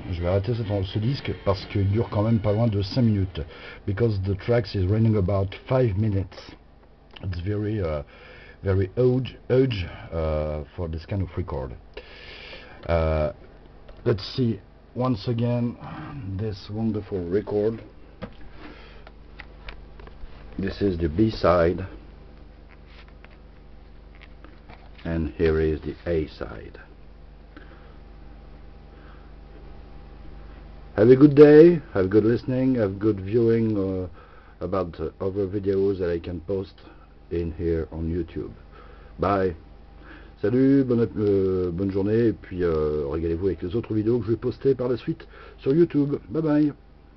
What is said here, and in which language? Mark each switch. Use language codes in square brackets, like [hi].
[fr] Je vais arrêter ce disque parce qu'il dure quand même pas loin de 5 minutes. [en] Because the track is running about 5 minutes. It's very very huge for this kind of record. Let's see once again this wonderful record. This is the B-side. And here is the A side. Have a good day, have good listening, have good viewing about other videos that I can post in here on YouTube. Bye. [fr] Salut, bonne journée, et puis régalez-vous avec les autres vidéos que je vais poster par la suite sur YouTube. Bye bye.